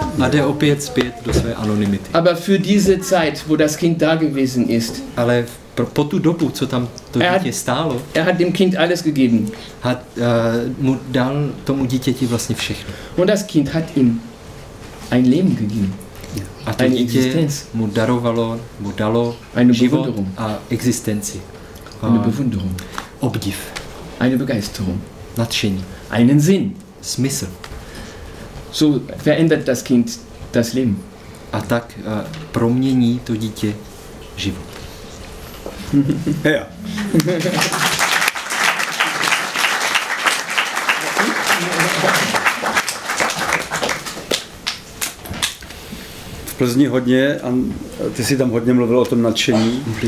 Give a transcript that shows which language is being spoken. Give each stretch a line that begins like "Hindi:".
Czech: A jde opět zpět do své anonymity.
German: Aber für diese Zeit, wo das Kind da gewesen ist.
Czech: Ale po tu dobu, co tam to dítě stálo.
German: Er hat dem Kind alles gegeben.
Czech: Hat mu dal tomu dítěti vlastně všechno.
German: Und das Kind hat ihm ein Leben gegeben.
Czech: A to dítě mu darovalo, mu dalo
German: eine
Czech: život
German: Bewunderung.
Czech: A existenci.
German: Eine Bewunderung.
Czech: Obdiv.
German: Eine Begeisterung.
Czech: Nadšení.
German: Einen Sinn.
Czech: Smysl.
German: So verändert das Kind das Leben.
Czech: A tak promění to dítě život. Heja. V Plzni hodně, a ty jsi tam hodně mluvil o tom nadšení.